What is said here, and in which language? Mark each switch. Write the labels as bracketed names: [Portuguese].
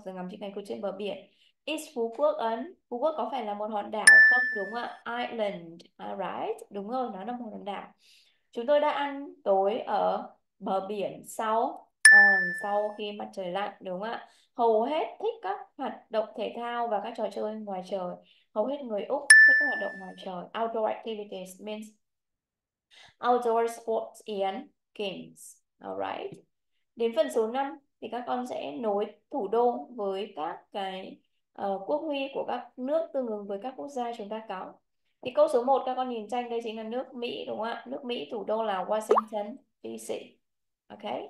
[Vietnamese] Từ ngắm chim cánh cụt trên bờ biển. Is Phú Quốc Ấn, Phú Quốc có phải là một hòn đảo không đúng không ạ? Island. Alright, đúng rồi, nó là một hòn đảo. Chúng tôi đã ăn tối ở bờ biển sau sau khi mặt trời lặn đúng không ạ? Hầu hết thích các hoạt động thể thao và các trò chơi ngoài trời. Hầu hết người Úc thích các hoạt động ngoài trời. [English] Outdoor activities means outdoor sports and games. Alright. [Vietnamese] Đến phần số 5 thì các con sẽ nối thủ đô với các cái quốc huy của các nước tương ứng với các quốc gia chúng ta có. Thì câu số 1 các con nhìn tranh đây chính là nước Mỹ đúng không ạ? Nước Mỹ thủ đô là Washington DC. Ok.